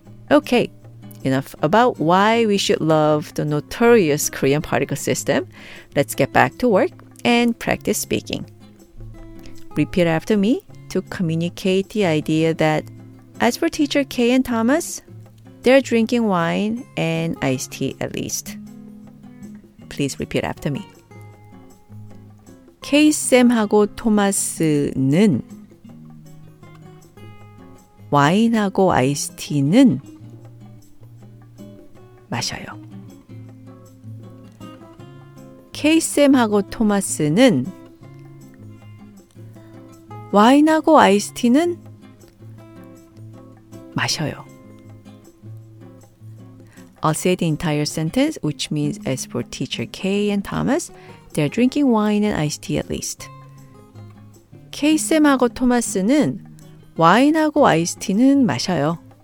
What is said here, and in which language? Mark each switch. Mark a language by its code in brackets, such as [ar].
[en] Okay, enough about why we should love the notorious Korean particle system. Let's get back to work and practice speaking. Repeat after me to communicate the idea that as for teacher K and Thomas, they're drinking wine and iced tea at least. Please repeat after me. [ko] K쌤하고 토마스는 와인하고 아이스티는 마셔요. K쌤하고 토마스는 와인하고 아이스티는 마셔요. [en] I'll say the entire sentence, which means as for teacher K and Thomas, they're drinking wine and iced tea at least. [ko] K쌤하고 토마스는 와인하고 아이스티는 마셔요.